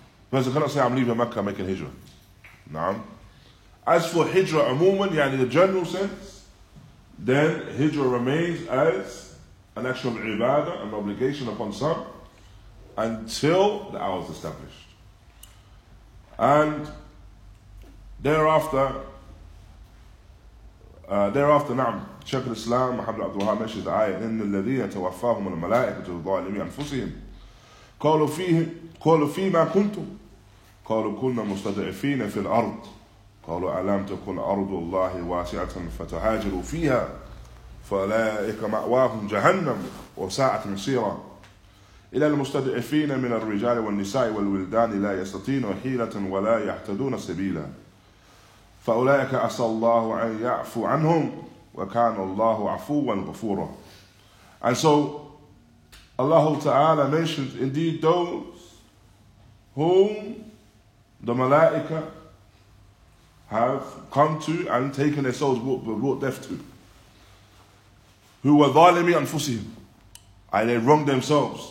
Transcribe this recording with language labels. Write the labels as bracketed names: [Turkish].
[English] Because I cannot say I'm leaving Mecca, I'm making hijrah. Naam. As for hijrah amuman, yani in the general sense, then hijrah remains as an action of ibadah, an obligation upon some, until the hour is established. And thereafter, naam, Shaykh al-Islam, Muhammad Abdulhakeem, mentions the ayah, [Arabic] إِنَّ الَّذِينَ تَوَفَّاهُمُ الْمَلَائِكَةُ الظَّالِمِي أَنفُسِهِمْ قَالُوا فِي مَا كُنْتُمْ قالوا كنا مستضعفين في الأرض قالوا ألم تكن أرض الله واسعة فتهاجروا فيها فأولئك مأواهم جهنم وساءت مصيرا إلى المستضعفين من الرجال والنساء والولدان لا يستطيعون حيلة ولا يهتدون سبيلا فأولئك عسى الله أن يعفو عنهم وكان الله عفوا غفورا. [English] And so Allah Ta'ala mentioned indeed those whom the Malaika have come to and taken their souls, brought death to, who were dhalimi anfusihim, and they wronged themselves.